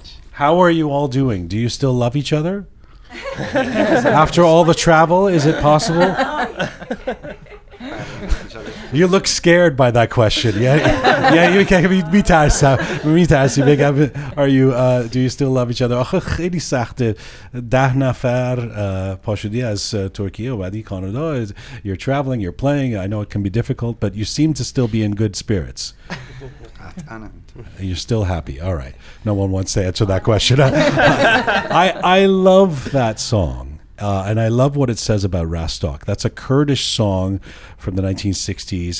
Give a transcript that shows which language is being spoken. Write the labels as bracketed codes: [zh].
[en] How are you all doing? Do you still love each other? After all the travel, is it possible? You look scared by that question. Yeah, you can't be tired. Are you, do you still love each other? [fa] آخه خیلی سخته. ده نفر پاشدی از ترکیه و بعدی کانادا. [en] You're traveling, you're playing. I know it can be difficult, but you seem to still be in good spirits. You're still happy. All right. No one wants to answer that question. I love that song. And I love what it says about Rastok. That's a Kurdish song from the 1960s.